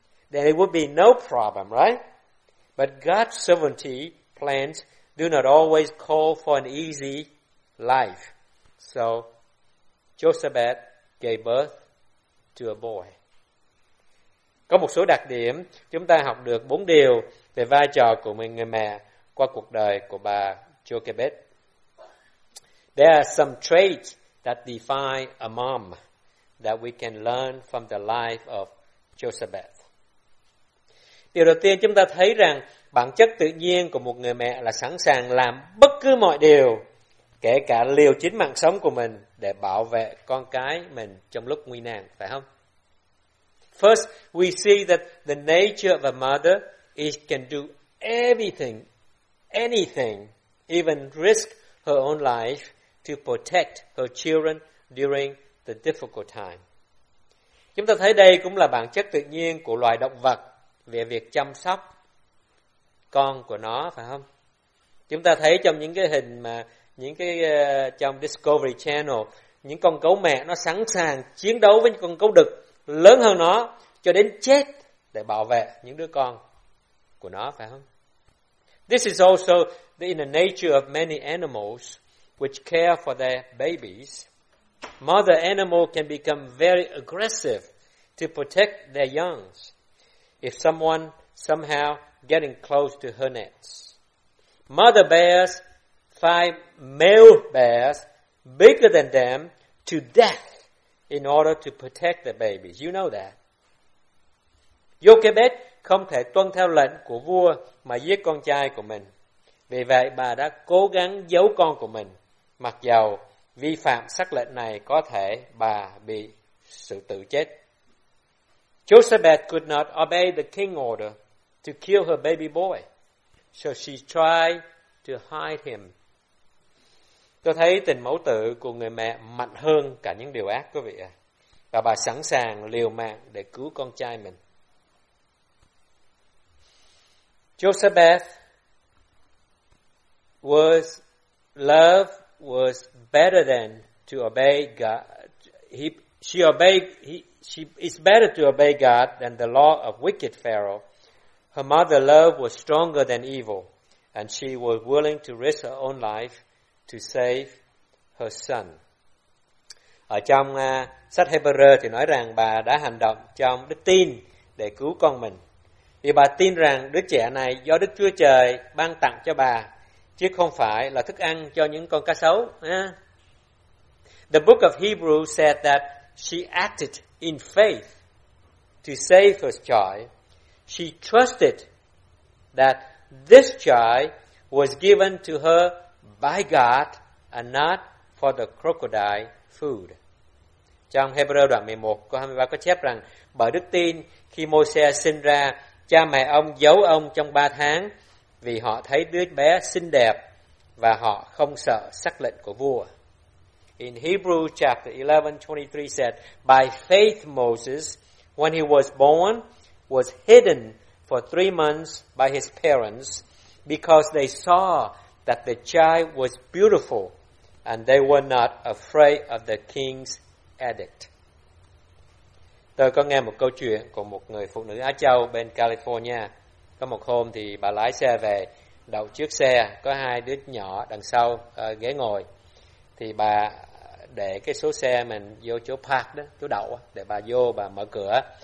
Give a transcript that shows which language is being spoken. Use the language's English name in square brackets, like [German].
[English] Then it would be no problem, right? But God's sovereignty plans do not always call for an easy life. So, Jochebed gave birth to a boy. [Vietnamese] Có một số đặc điểm, chúng ta học được 4 điều về vai trò của một người mẹ qua cuộc đời của bà Jochebed. [English] There are some traits that define a mom that we can learn from the life of Jochebed. [Vietnamese] Điều đầu tiên chúng ta thấy rằng bản chất tự nhiên của một người mẹ là sẵn sàng làm bất cứ mọi điều, kể cả liều chính mạng sống của mình để bảo vệ con cái mình trong lúc nguy nan, phải không? [English] First, we see that the nature of a mother is can do everything, anything, even risk her own life to protect her children during the difficult time. [Vietnamese] Chúng ta thấy đây cũng là bản chất tự nhiên của loài động vật về việc chăm sóc con của nó, phải không? Chúng ta thấy trong những cái hình mà những cái trong Discovery Channel, những con gấu mẹ nó sẵn sàng chiến đấu với những con gấu đực lớn hơn nó cho đến chết để bảo vệ những đứa con của nó, phải không? [English] This is also in the nature of many animals which care for their babies. Mother animal can become very aggressive to protect their young if someone somehow getting close to her nets. Mother bears fight male bears bigger than them to death in order to protect the babies. You know that. [Vietnamese] Jochebed không thể tuân theo lệnh của vua mà giết con trai của mình. Vì vậy, bà đã cố gắng giấu con của mình. Mặc dầu vi phạm sắc lệnh này có thể bà bị sự tử chết. [English] Jochebed could not obey the king order to kill her baby boy. So she tried to hide him. [Vietnamese] Tôi thấy tình mẫu tử của người mẹ mạnh hơn cả những điều ác, quý vị ạ. Và bà sẵn sàng liều mạng để cứu con trai mình. [English] Jochebed was love was better than to obey God. It's better to obey God than the law of wicked Pharaoh. Her mother love was stronger than evil, and she was willing to risk her own life to save her son. [Vietnamese] Ở trong sách Hebrew thì nói rằng bà đã hành động trong đức tin để cứu con mình. Vì bà tin rằng đứa trẻ này do Đức Chúa Trời ban tặng cho bà, chứ không phải là thức ăn cho những con cá sấu. [English] The book of Hebrews said that she acted in faith to save her child. She trusted that this child was given to her by God and not for the crocodile food. [Vietnamese] Trong Hebrew đoạn 11 câu 23 có chép rằng bởi đức tin khi Moses sinh ra, cha mẹ ông giấu ông trong 3 tháng vì họ thấy đứa bé xinh đẹp và họ không sợ sắc lệnh của vua. [English] In Hebrews chapter 11:23 said, by faith Moses, when he was born, was hidden for 3 months by his parents because they saw that the child was beautiful and they were not afraid of the king's edict. [Vietnamese] Tôi có nghe một câu chuyện của một người phụ nữ Á Châu bên California. Có một hôm thì bà lái xe về, đậu chiếc xe, có hai đứa nhỏ đằng sau ghế ngồi. Thì bà để cái số xe mình vô chỗ park đó, chỗ đậu, để bà vô, bà mở cửa.